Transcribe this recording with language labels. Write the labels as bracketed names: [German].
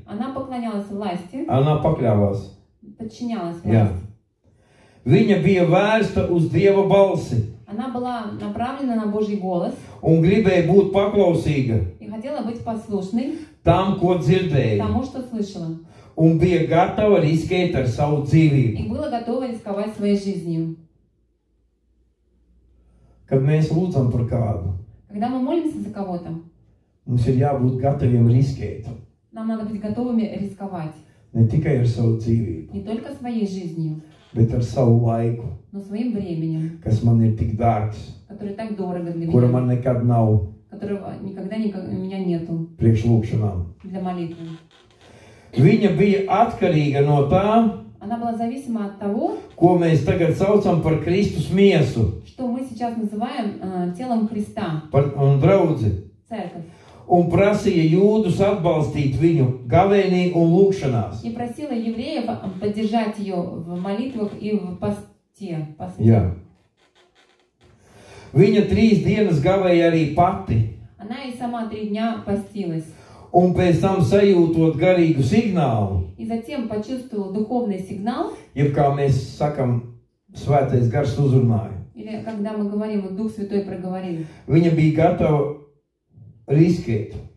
[Russian] Она поклонялась власти. Она покорялась. Подчинялась власти. Jā. [Latvian] Viņa bija vērsta uz Dieva balsi. [Russian] Она была направлена на Божий голос. [Latvian] Un gribēja būt paklausīga. [Russian] И хотела быть послушной. [Latvian] Tam, ko dzirdēja. [Russian] Тому, что слышала. [Latvian] Un bija gatava riskēt ar savu dzīvību. [Russian] И была готова рисковать своей жизнью. [Latvian] Kad mēs lūdzam par kādu. [Russian] Когда мы молимся за кого-то. [Latvian] Mums ir jābūt gataviem riskēt. [Russian] Нам надо быть готовыми рисковать. Не только [Latvian] ir savu dzīvi. [Russian] Не только своей жизнью. [Latvian] Bet ar savu laiku. [Russian] Но своим временем. [Latvian] Kas man ir tik dārgs. [Russian] Который так дорого для меня. [Latvian] Kura man nekad nav. [Russian] Которого никогда у меня нету. [Latvian] Priekš lūkšanām. [Russian] Для молитвы. [Latvian] Viņa bija atkarīga no tā. [Russian] Она была зависима от того. [Latvian] Ko mēs tagad saucam par Kristus miesu. [Russian] Что мы сейчас называем телом Христа. [Latvian] Par un draudzi. [Russian] Церковь. [Latvian] Un prasīja jūdus atbalstīt viņu gavēnī un lūkšanās. [Russian] Я просила евреев поддержать её в молитвах и в посте. [Latvian] Jā. Viņa trīs dienas gavēja arī pati. [Russian] Она и сама три дня постилась. [Latvian] Un pēc tam sajūtot garīgu signālu. [Russian] И затем почувствовал духовный сигнал. [Latvian] Jeb kā mēs sakam, Svētais Gars uzrunāja. [Russian] Или когда мы говорим, вот Дух Святой проговорил. [Latvian] Viņa bija gatava riskēt.